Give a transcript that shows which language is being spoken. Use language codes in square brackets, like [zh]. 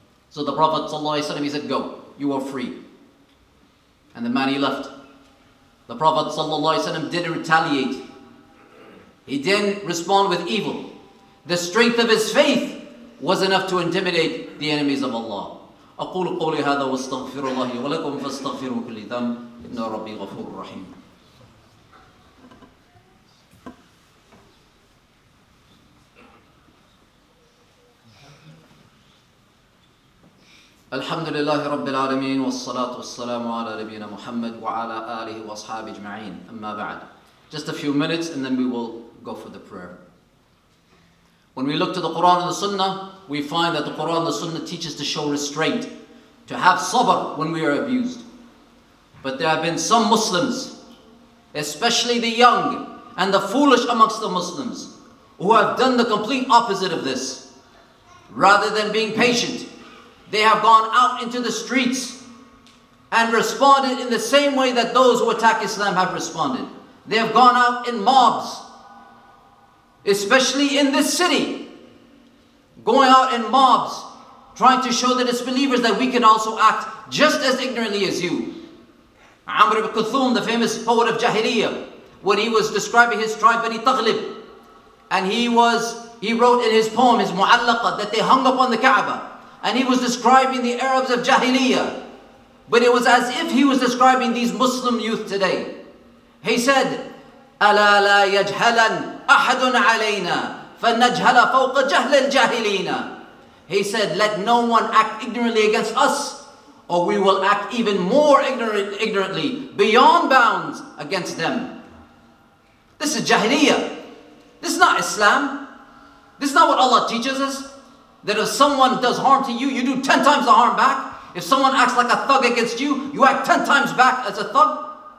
[en] So the Prophet ﷺ, he said, go, you are free. And the man, he left. The Prophet ﷺ didn't retaliate. He didn't respond with evil. The strength of his faith was enough to intimidate the enemies of Allah. [ar] أقول قولي هذا واستغفر الله ولكم فاستغفروا كل ذنب إن ربي غفور رحيم. الحمد لله رب العالمين والصلاة والسلام على نبينا محمد وعلى آله وأصحابه أجمعين. أما بعد. [en] Just a few minutes and then we will go for the prayer. When we look to the Quran and the Sunnah, we find that the Quran and the Sunnah teach us to show restraint, to have sabr when we are abused. But there have been some Muslims, especially the young and the foolish amongst the Muslims, who have done the complete opposite of this. Rather than being patient, they have gone out into the streets and responded in the same way that those who attack Islam have responded. They have gone out in mobs, especially in this city, going out in mobs, trying to show the disbelievers that we can also act just as ignorantly as you. Amr ibn Kuthum, the famous poet of Jahiliyyah, when he was describing his tribe, Bani Taghlib, and he wrote in his poem, his Mu'allaqa, that they hung upon the Kaaba, and he was describing the Arabs of Jahiliyyah, but it was as if he was describing these Muslim youth today. He said, [ar] أَلَا لَا يَجْهَلًا أَحَدٌ عَلَيْنَا فَنَجْهَلَ فَوْقَ جَهْلَ الْجَاهِلِينَ. [en] He said, let no one act ignorantly against us, or we will act even more ignorantly, beyond bounds, against them. This is Jahiliyyah. This is not Islam. This is not what Allah teaches us. That if someone does harm to you, you do 10 times the harm back. If someone acts like a thug against you, you act 10 times back as a thug.